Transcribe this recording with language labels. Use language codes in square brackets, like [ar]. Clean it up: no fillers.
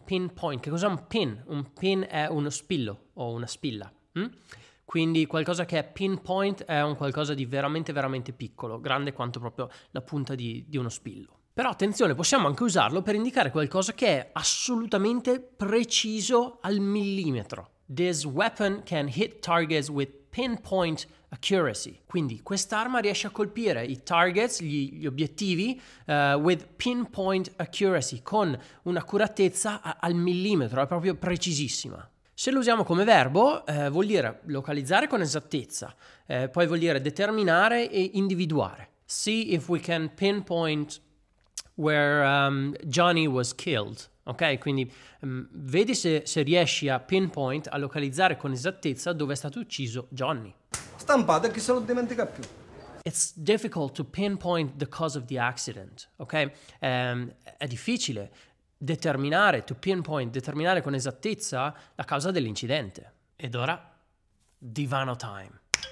[it] Pinpoint, che cos'è un pin? Un pin è uno spillo o una spilla. Quindi qualcosa che è pinpoint è un qualcosa di veramente, veramente piccolo, grande quanto proprio la punta di uno spillo. Però attenzione, possiamo anche usarlo per indicare qualcosa che è assolutamente preciso al millimetro. [en] This weapon can hit targets with pinpoint accuracy. [it] Quindi quest'arma riesce a colpire i targets, gli obiettivi, [en] with pinpoint accuracy, [it] con un'accuratezza al millimetro, è proprio precisissima. Se lo usiamo come verbo, vuol dire localizzare con esattezza, poi vuol dire determinare e individuare. [en] See if we can pinpoint where Johnny was killed. [it] Ok, quindi vedi se riesci a pinpoint, a localizzare con esattezza dove è stato ucciso Johnny. Stampata, che se lo dimentica più. [en] It's difficult to pinpoint the cause of the accident, ok? [it] È difficile determinare, to pinpoint, determinare con esattezza la causa dell'incidente. Ed ora, divano time.